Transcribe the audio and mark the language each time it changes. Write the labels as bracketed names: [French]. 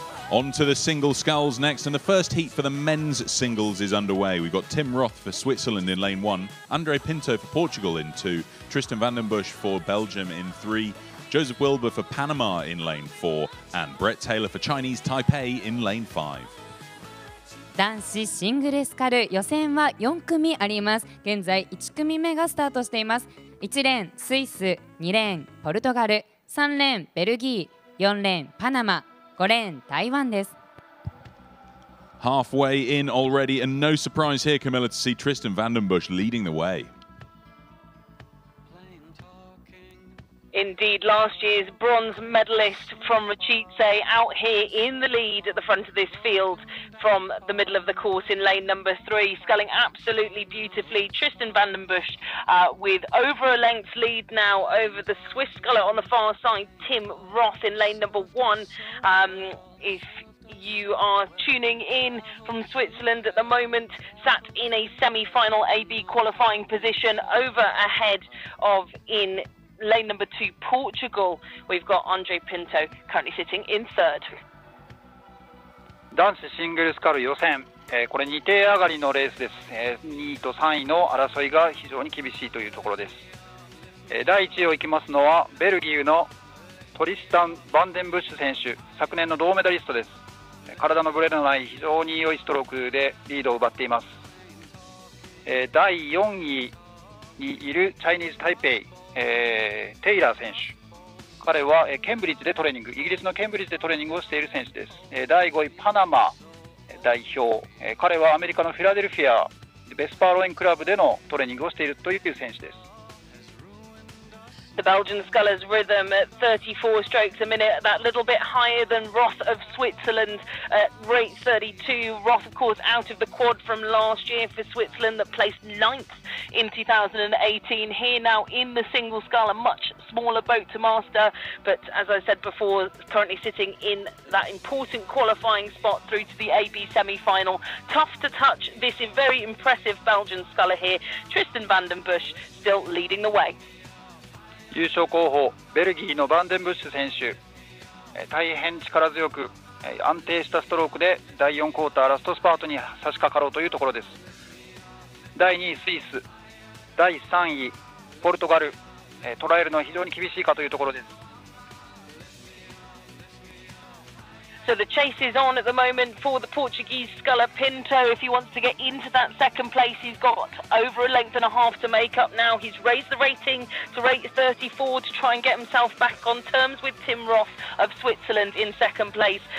[English] On to the single sculls next, and the first heat for the men's singles is underway. We've got Tim Roth for Switzerland in lane one, Andre Pinto for Portugal in two, Tristan van den Busch for Belgium in three, Joseph Wilber for Panama in lane four, and Brett Taylor for Chinese Taipei in lane five. [Japanese] 男子シングルスカル予選は4組あります。現在1組目がスタートしています。1レーンスイス、2レーンポルトガル、3レーンベルギー、4レーンパナマ、5レーン台湾です。 [English] Halfway in already, and no surprise here, Camilla, to see Tristan van den Busch leading the way. Indeed, last year's bronze medalist from Rachice out here in the lead at the front of this field from the middle of the course in lane number three, sculling absolutely beautifully. Tristan van den Busch with over a length lead now over the Swiss sculler on the far side, Tim Roth in lane number one. If you are tuning in from Switzerland at the moment, sat in a semi-final AB qualifying position over ahead of in lane number two, Portugal, we've got Andre Pinto currently sitting in third. [Japanese] 男子シングルスカル予選、これ2手上がりのレースです、2位と3位の争いが非常に厳しいというところです、第1位を行きますのはベルギーのトリスタン・バンデンブッシュ選手、昨年の銅メダリストです。体のブレのない非常に良いストロークでリードを奪っています。第4位にいるチャイニーズ・タイペイ、テイラー選手、彼はケンブリッジでトレーニング、イギリスのケンブリッジでトレーニングをしている選手です。第5位パナマ代表、彼はアメリカのフィラデルフィアベスパーロインクラブでのトレーニングをしているという選手です。 [English] The Belgian sculler's rhythm at 34 strokes a minute, that little bit higher than Roth of Switzerland at rate 32. Roth of course out of the quad from last year for Switzerland that placed 9th in 2018, here now in the single sculler, muchSmaller boat to master, but as I said before, currently sitting in that important qualifying spot through to the AB semi-final. Tough to touch this very impressive Belgian sculler here. Tristan van den Busch still leading the way. [Japanese] 優勝候補、ベルギーのバンデンブッシュ選手、大変力強く安定したストロークで第4クォーターラストスパートに差し掛かろうというところです。第2位スイス、第3位ポルトガル、捉えるのは非常に厳しいかというところです。 [English] So the chase is on at the moment for the Portuguese sculler Pinto. If he wants to get into that second place, he's got over a length and a half to make up now. He's raised the rating to rate 34 to try and get himself back on terms with Tim Roth of Switzerland in second place.